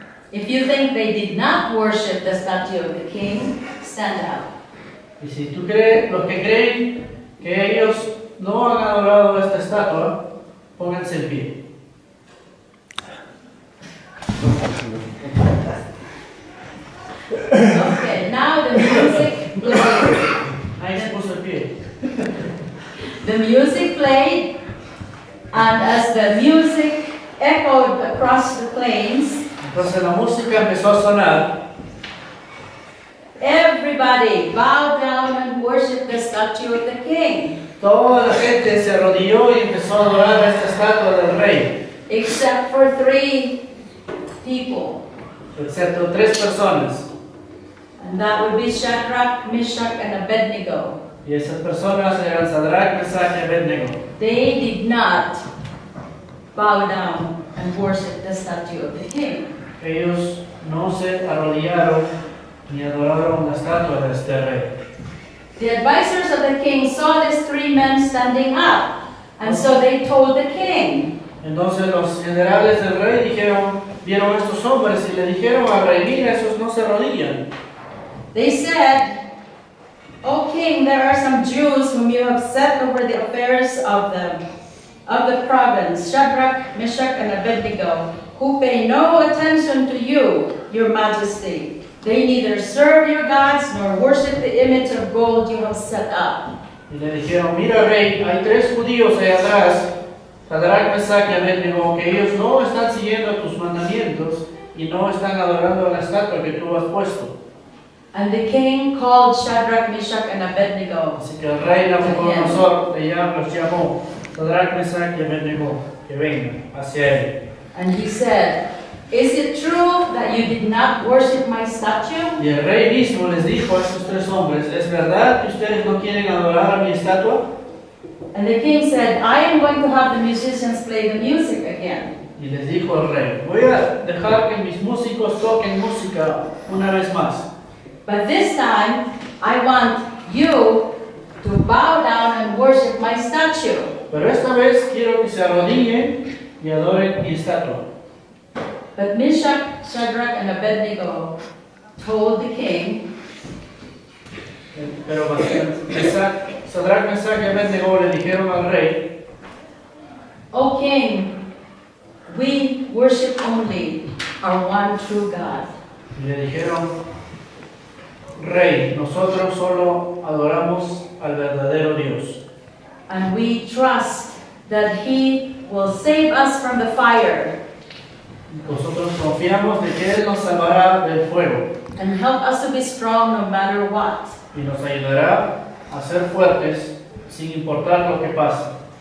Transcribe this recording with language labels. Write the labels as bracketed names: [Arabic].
[English] If you think they did not worship the statue of the king, stand up. [Spanish] Y si tú crees, los que creen que ellos no han adorado a esta estatua, pónganse en pie. [English] Okay, now the music played. [Spanish] Ahí se puso el pie. [English] The music played, and as the music echoed across the plains, [Spanish] entonces la música empezó a sonar. [English] Everybody bowed down and worshipped the statue of the king. [Spanish] Toda la gente se arrodilló y empezó a adorar esta estatua del rey. [English] Except for three people. [Spanish] Excepto tres personas. [English] And that would be Shadrach, Meshach, and Abednego. [Spanish] Y esas personas eran Shadrach, Meshach, y Abednego. [English] They did not bow down and worship the statue of the king. [Spanish] Ellos no se arrodillaron ni adoraron la estatua de este rey. [English] The advisors of the king saw these three men standing up, and so they told the king. [Spanish] Entonces los generales del rey dijeron, vieron estos hombres y le dijeron al rey, mira, esos no se arrodillan. [English] They said, O king, there are some Jews whom you have set over the affairs of the province, Shadrach, Meshach, and Abednego, who pay no attention to you, your majesty. They neither serve your gods nor worship the image of gold you have set up. [Spanish] Y le dijeron, mira rey, hay tres judíos ahí atrás, Shadrach, Meshach, y Abednego, que ellos no están siguiendo tus mandamientos y no están adorando la estatua que tú has puesto. [English] And the king called Shadrach, Meshach, and Abednego. [Spanish] Así que el rey Nabucodonosor los llamó Shadrach, Meshach, y Abednego, que vengan hacia él. [English] And he said, is it true that you did not worship my statue? [Spanish] Y el rey mismo les dijo a estos tres hombres, ¿es verdad que ustedes no quieren adorar a mi estatua? [English] And the king said, I am going to have the musicians play the music again. [Spanish] Y les dijo el rey, voy a dejar que mis músicos toquen música una vez más. [English] But this time, I want you to bow down and worship my statue. [Spanish] Pero esta vez quiero que se arrodillen y adoren mi estatua. [English] But Meshach, Shadrach, and Abednego told the king. [Spanish] Pero Shadrach, Meshach, y Abednego le dijeron al rey. [English] O king, we worship only our one true God. [Spanish] Y le dijeron, rey, nosotros solo adoramos al verdadero Dios. [English] And we trust that he will save us from the fire. [Spanish] Nosotros confiamos de que él nos salvará del fuego. [English] And help us to be strong no matter what. [Spanish] Y nos ayudará a ser fuertes sin importar lo que pase.